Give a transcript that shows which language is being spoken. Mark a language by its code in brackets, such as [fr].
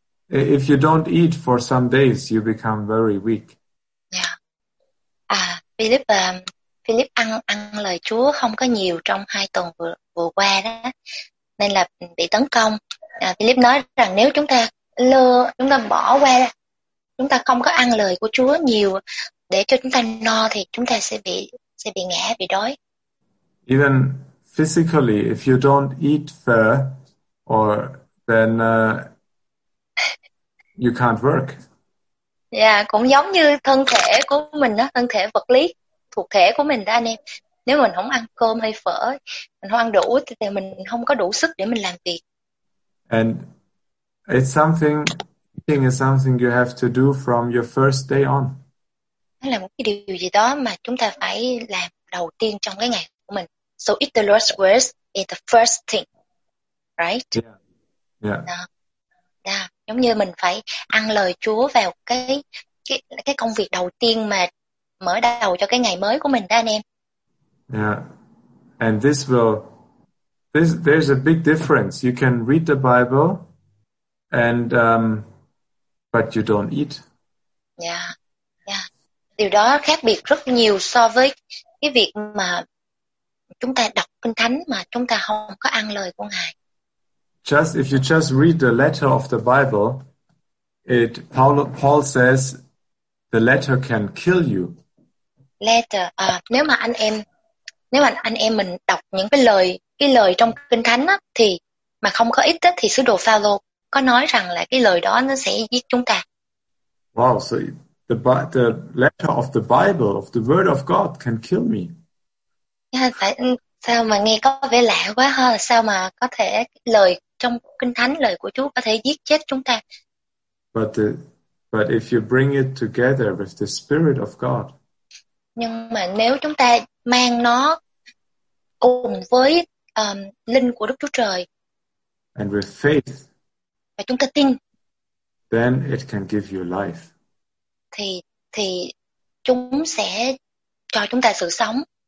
[en] If you don't eat for some days, you become very weak. Yeah. [vi] À, Philip, Philip ăn lời Chúa không có nhiều trong hai tuần vừa qua đó, nên là bị tấn công. À, Philip nói rằng nếu chúng ta bỏ qua, chúng ta không có ăn lời của Chúa nhiều để cho chúng ta no thì chúng ta sẽ bị ngã, bị đói. [en] Even physically, if you don't eat fair, or then you can't work. [vi] Yeah, cũng giống như thân thể của mình đó, thân thể vật lý, thuộc thể của mình đó anh em. Nếu mình không ăn cơm hay phở, mình không ăn đủ thì mình không có đủ sức để mình làm việc. [en] And it's something, eating is something you have to do from your first day on. [vi] Đó là một cái điều gì đó mà chúng ta phải làm đầu tiên trong cái ngày của mình. [en] So eat the Lord's words is the first thing, right? Yeah. Yeah. [vi] Giống như mình phải ăn lời Chúa vào cái công việc đầu tiên mà mở đầu cho cái ngày mới của mình đó anh em. [en] Yeah. And there's a big difference. You can read the Bible and but you don't eat. Yeah. Yeah. [vi] Điều đó khác biệt rất nhiều so với cái việc mà chúng ta đọc Kinh Thánh mà chúng ta không có ăn lời của Ngài. [en] Just if you just read the letter of the Bible, Paul says the letter can kill you. [vi] Letter, nếu mà anh em mình đọc những cái lời trong Kinh Thánh á thì mà không có ít á thì sứ đồ Phao-lô có nói rằng là cái lời đó nó sẽ giết chúng ta. [en] Wow, so the letter of the Bible, of the word of God can kill me. [vi] Sao mà nghe có vẻ lạ quá ha? Sao mà có thể lời trong Kinh Thánh, lời của Chúa có thể giết chết chúng ta? [en] But if you bring it together with the Spirit of God. [vi] Nhưng mà nếu chúng ta mang nó cùng với linh của Đức Chúa Trời. [en] And with faith. [vi] Và chúng ta tin. [en] Then it can give you life. [vi] Thì chúng sẽ cho chúng ta sự sống.